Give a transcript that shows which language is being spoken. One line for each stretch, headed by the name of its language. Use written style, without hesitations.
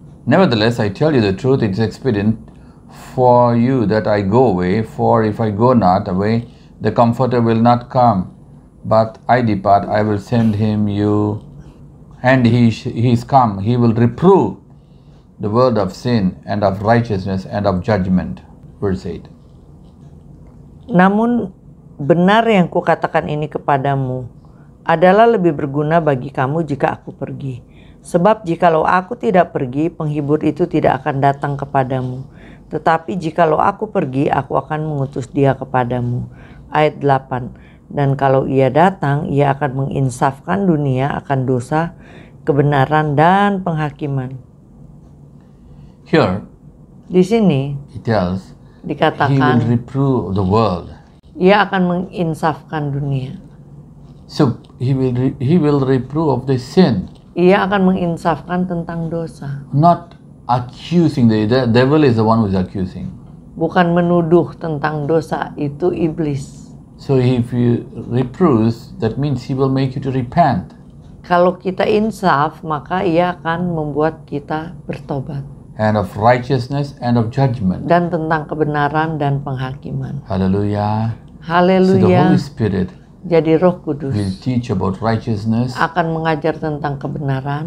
English: Nevertheless, I tell you the truth, it is expedient for you that I go away, for if I go not away, the Comforter will not come, but I depart, I will send him you And he is come. He will reprove the world of sin and of righteousness and of judgment. Verse 8.
Indonesian: Namun benar yang kukatakan ini kepadamu adalah lebih berguna bagi kamu jika aku pergi. Sebab jikalau aku tidak pergi, penghibur itu tidak akan datang kepadamu. Tetapi jikalau aku pergi, aku akan mengutus dia kepadamu. Ayat 8. Dan kalau ia datang, ia akan menginsafkan dunia akan dosa, kebenaran, dan penghakiman.
English: Here,
Indonesian: di sini,
English: it tells,
Indonesian: dikatakan,
English: he will reprove the world.
Indonesian: Ia akan menginsafkan dunia.
English: So he will reprove of the sin.
Indonesian: Ia akan menginsafkan tentang dosa.
English: Not accusing, the devil is the one who is accusing.
Indonesian: Bukan menuduh tentang dosa, itu iblis.
English: So if you reprove, that means he will make you to repent.
Indonesian: Kalau kita insaf, maka ia akan membuat kita bertobat.
English: And of righteousness and of judgment.
Indonesian: Dan tentang kebenaran dan penghakiman.
English: Hallelujah.
Indonesian: Hallelujah.
English: So the Holy Spirit.
Indonesian: Jadi Roh Kudus
English: will teach about righteousness.
Indonesian: Akan mengajar tentang kebenaran.